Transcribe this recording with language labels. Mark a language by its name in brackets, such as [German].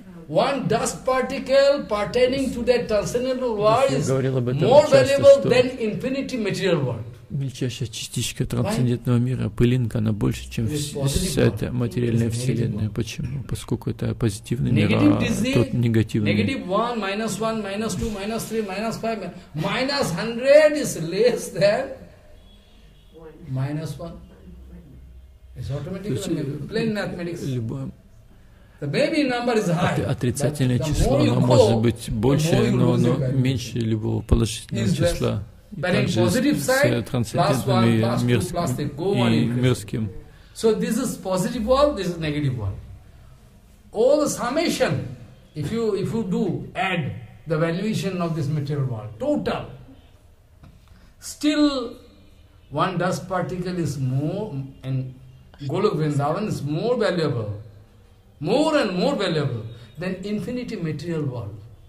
[English] One dust particle pertaining to that transcendental world is more valuable than infinity material world. [Russian] Мельчайшая частичка трансцендентного мира, пылинка, она больше, чем вся эта материальная вселенная. Почему? Поскольку это позитивный мир, а тот негативный. [English] Negative 1, minus 1, minus 2, minus 3, minus 5, minus 100 is less than minus 1. The baby number is high. [Russian] Отрицательное число, оно может быть больше, но меньше любого положительного числа. Также с трансцендентным и мирским. [English] So this is positive one, this is negative one. All the summation, if you do add the valuation of this material world, total, still one dust particle is more, and Golok Vrindavan is more valuable, more and more valuable than infinity material world.